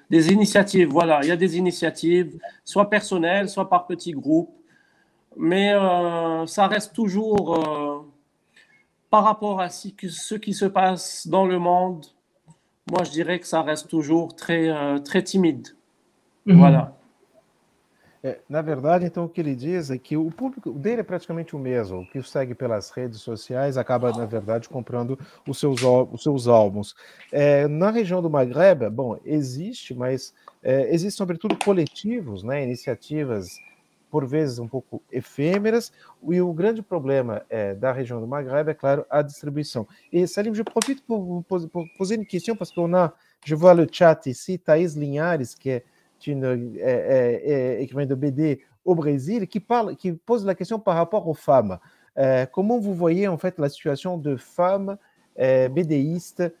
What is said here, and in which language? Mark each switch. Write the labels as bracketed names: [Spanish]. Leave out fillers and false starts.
[French] Des initiatives, voilà. Il y a des initiatives, soit personnelles, soit par petits groupes. Mais ça reste toujours par rapport à ce qui se passe dans le monde. Moi, je dirais que ça reste toujours très, très timide. Mm-hmm. Voilà. [Portuguese] Na verdade, então, o que ele diz é que o público dele é praticamente o mesmo. O que segue pelas redes sociais acaba, na verdade, comprando os seus álbuns. Na região do Maghreb, bom, existe, mas existem, sobretudo, coletivos, né, iniciativas, por vezes, um pouco efêmeras. E o grande problema da região do Maghreb é, claro, a distribuição. [French] E, Salim, je profite por poser une question, parce que je vois le chat ici, Thaís Linhares, que é une écrivaine de BD au Brésil qui pose la question par rapport aux femmes. Comment vous voyez en fait la situation de femmes BDistes?